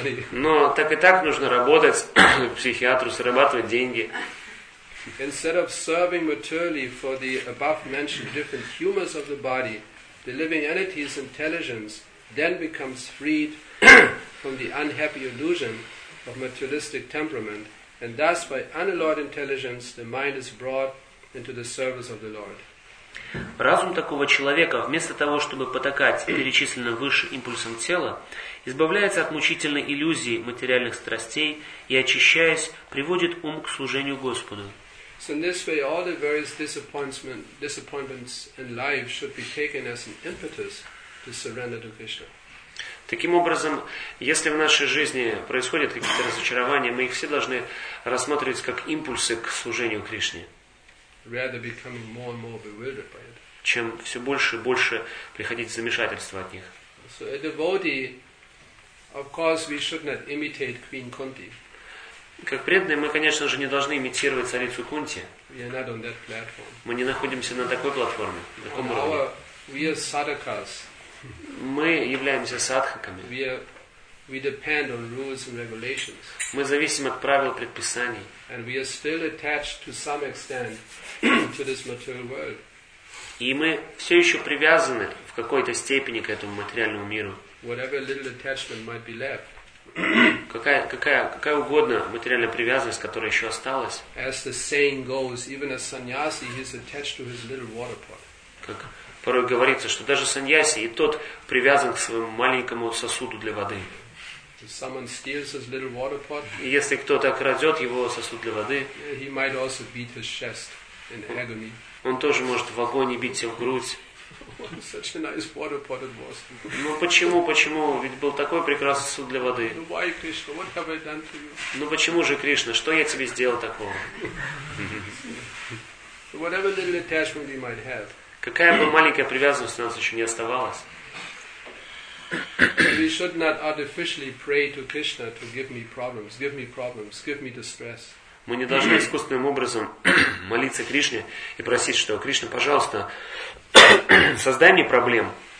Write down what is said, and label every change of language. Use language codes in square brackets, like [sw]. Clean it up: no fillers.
[ru] Но так и так нужно работать психиатру, зарабатывать деньги. [en] Instead of serving materially for the above mentioned different humors of the body, the living entity's intelligence then becomes freed from the unhappy illusion of materialistic temperament, and thus, by unalloyed intelligence, the mind is brought into the service of the Lord. [ru] Разум такого человека, вместо того чтобы потакать перечисленным выше импульсом тела, избавляется от мучительной иллюзии материальных страстей и, очищаясь, приводит ум к служению Господу. [en] So in this way, all the various disappointments in life should be taken as an impetus to surrender to Krishna. [ru] Таким образом, если в нашей жизни происходят какие-то разочарования, мы их все должны рассматривать как импульсы к служению Кришне. [en] Rather becoming more and more bewildered by it. [ru] Чем все больше и больше приходить в замешательство от них. [en] So a devotee, of course, we should not imitate Queen Kunti. [ru] Как преданные, мы, конечно же, не должны имитировать царицу Кунти. [en] We are not on that platform. [ru] Мы не находимся на такой платформе, на таком [en] on [ru] уровне. [en] We are sadhakas. [ru] Мы являемся садхаками. [en] We depend on rules and regulations. [ru] Мы зависим от правил предписаний. [en] And we are still attached to some extent to this material world. [ru] И мы все еще привязаны в какой-то степени к этому материальному миру. [en] Whatever little attachment might be left. [ru] Какая угодно материальная привязанность, которая еще осталась. [en] As the saying goes, even a sannyasi is attached to his little water pot. [ru] Как порой говорится, что даже саньяси и тот привязан к своему маленькому сосуду для воды. [en] If someone steals his little water pot, [ru] и если кто-то крадет его сосуд для воды, [en] he might also beat his chest in agony. [ru] Он тоже может в агонии бить себе в грудь. [en] Such a nice water pot it was. [ru] Ну почему? Ведь был такой прекрасный сосуд для воды. [en] Why, Krishna? What have I done to you? [ru] Ну почему же, Кришна, что я тебе сделал такого? [en] Whatever little attachment we might have. [ru] Какая бы маленькая привязанность у нас еще не оставалась. [en] We should not artificially pray to Krishna to give me problems, give me problems, give me distress. [ru] Мы не должны искусственным образом молиться Кришне и просить, что Кришна, пожалуйста, создай мне проблем.